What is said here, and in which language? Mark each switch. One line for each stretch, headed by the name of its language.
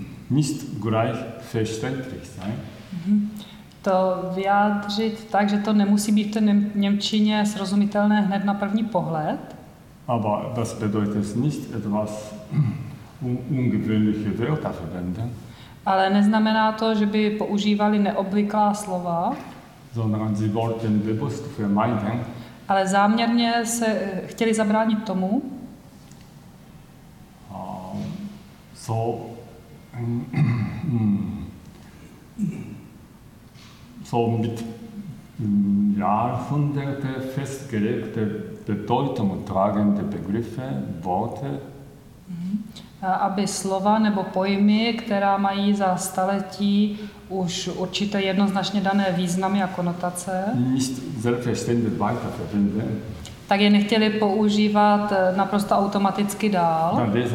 German: Nicht gleich verständlich sein.
Czech: To vyjádřit tak, že to nemusí být v té němčině srozumitelné hned na první pohled.
German: Aber das bedeutet nicht etwas ungewöhnliche Wörter verwenden.
Czech: Ale neznamená to, že by používali neobvyklá slova.
German: Sondern sie wollten bewusst vermeiden.
Czech: Ale záměrně se chtěli zabránit tomu.
German: So so mit Jahrhunderte festgelegte Bedeutung tragende Begriffe, Worte.
Czech: Aby slova nebo pojmy, která mají za staletí už určité jednoznačně dané významy a konotace,
German: nicht selbstverständlich weiter verwenden.
Czech: Tak je nechtěli používat naprosto automaticky dál.